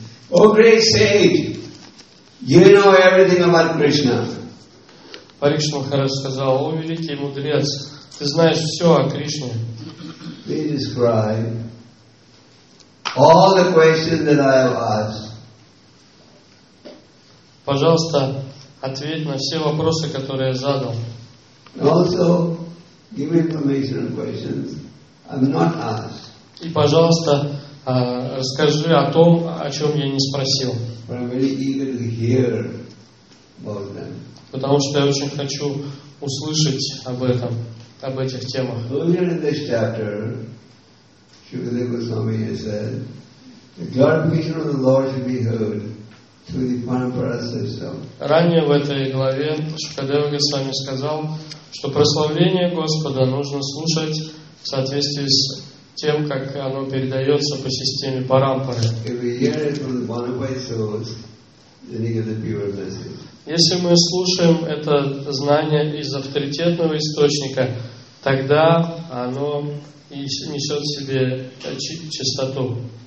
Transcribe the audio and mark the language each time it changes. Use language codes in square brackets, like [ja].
[en] O great sage, you know everything about Krishna. [ru] Парикшит Махарадж сказал: О великий мудрец, ты знаешь все о Кришне. [en] Please describe all the questions that I have asked. [ru] Пожалуйста, ответь на все вопросы, которые я задал. [en] Also, give information on questions I've not asked. [ru] И, пожалуйста, расскажи о том, о чем я не спросил. [en] But I'm very eager to hear about them. [ru] Потому что я очень хочу услышать об этом, об этих темах. [en] Earlier in this chapter, Shukadeva Goswami said, the glorification of the Lord should be heard [ru] Ранее в этой главе Шукадева Госвами сказал, что прославление Господа нужно слушать в соответствии с тем, как оно передается по системе парампары. Если мы слушаем это знание из авторитетного источника, тогда оно и несет в себе чистоту.